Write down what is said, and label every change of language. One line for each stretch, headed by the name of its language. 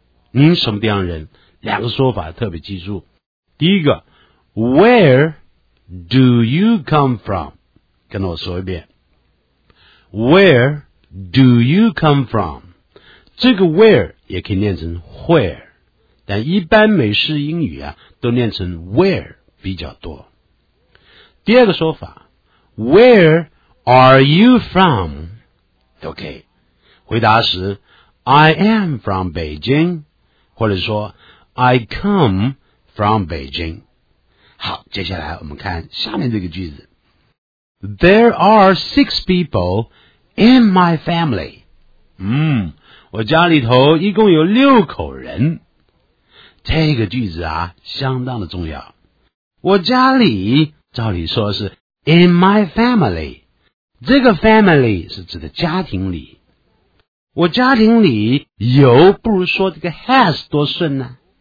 Chinese: 您什么地方人，两个说法特别记住，第一个
English: Where do you come from，
Chinese: 跟我说一遍 Where do you come from， 这个 where 也可以念成 where， 但一般美式英语啊都念成 where 比较多。第二个说法
English: Where are you from， OK，
Chinese: 回答时
English: I am from Beijing，
Chinese: 或者说
English: I come from Beijing。
Chinese: 好，接下来我们看下面这个句子，
English: There are six people in my family。
Chinese: 我家里头一共有六口人，这个句子啊相当的重要，我家里照理说是
English: in my family，
Chinese: 这个 family 是指的家庭里，我家庭里有不如说这个 has 多顺呢、啊、